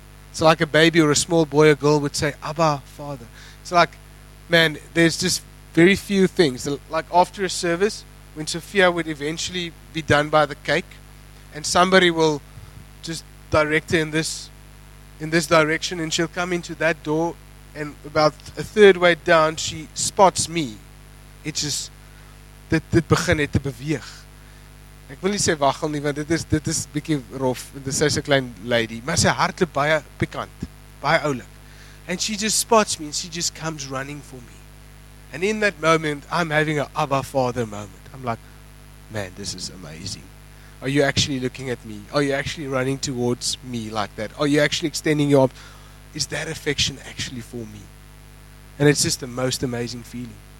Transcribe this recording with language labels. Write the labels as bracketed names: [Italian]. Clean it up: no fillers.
[English] It's like a baby or a small boy or girl would say, Abba, Father. It's like, man, there's just very few things. Like after a service, when Sophia would eventually be done by the cake, and somebody will just direct her in this direction, and she'll come into that door, and about a third way down, she spots me. It's just that [Afrikaans] dit begin het te beweeg. Ek wil nie sê waggel nie, want dit is bietjie rof. Dis sy's 'n klein lady, maar sy hart loop baie pikant, baie oulik. [English] And she just spots me and she just comes running for me. And in that moment, I'm having a Abba Father moment. I'm like, man, this is amazing. Are you actually looking at me? Are you actually running towards me like that? Are you actually extending your arms? Is that affection actually for me? And it's just the most amazing feeling.